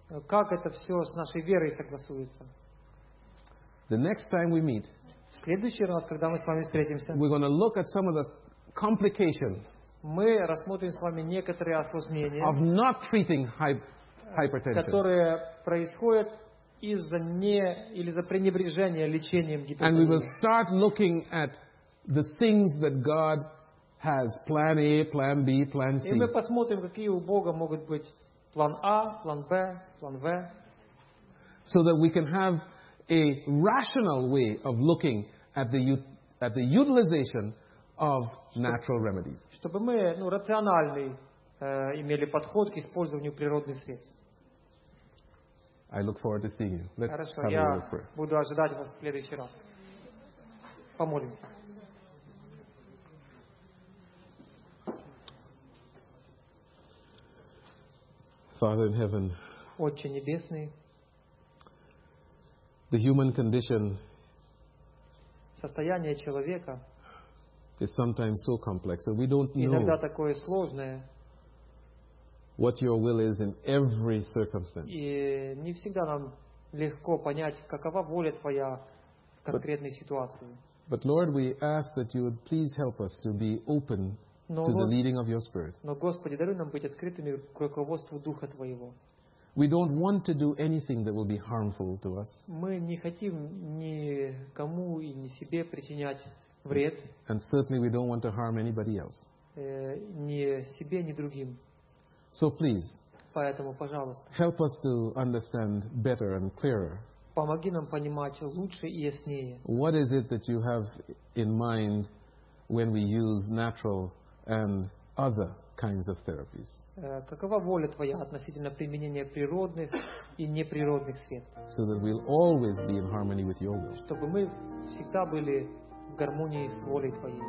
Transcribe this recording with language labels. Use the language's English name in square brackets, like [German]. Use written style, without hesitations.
[Russian] Как это все с нашей верой согласуется? [English] The next time we meet, [Russian] в следующий раз, когда мы с вами встретимся, [English] we're going to look at some of the complications. [Russian] Мы рассмотрим с вами некоторые осложнения [English] of not treating hypertension, [Russian] которые происходят из-за не или за пренебрежения лечением гипертонии. [English] And we will start looking at the things that God has plan A, plan B, plan C. [Russian] И мы посмотрим, какие у Бога могут быть план А, план Б, план В. [English] So that we can have a rational way of looking at the utilization of natural remedies. [Russian] Чтобы мы, ну, рациональный имели подход к использованию природных средств. [English] I look forward to seeing you. Let's [Russian] Хорошо, [English] have [Russian] я [English] a word of prayer. [Russian] Буду ожидать вас в следующий раз. Помолимся. [English] Father in heaven, [Russian] Отче небесный, [English] the human condition, [Russian] состояние человека, [English] is sometimes so complex that we don't know [Russian] такое сложное, [English] what your will is in every circumstance. [Russian] И не всегда нам легко понять, какова воля твоя в конкретной ситуации. [English] But Lord, we ask that you would please help us to be open to the leading of your Spirit. [Russian] Но Господи, даруй нам быть открытыми к руководству Духа Твоего. [English] We don't want to do anything that will be harmful to us. [Russian] Мы не хотим никому и ни себе причинять вред. [English] And certainly we don't want to harm anybody else. [Russian] Ни себе, ни другим. [English] So please, [Russian] поэтому, пожалуйста, [English] help us to understand better and clearer. [Russian] Помоги нам понимать лучше и яснее. [English] What is it that you have in mind when we use natural and other kinds of therapies? [Russian] Какова воля твоя относительно применения природных и неприродных средств? [English] So that we'll always be in harmony with your will. [Russian] Чтобы мы всегда были в гармонии с волей твоей.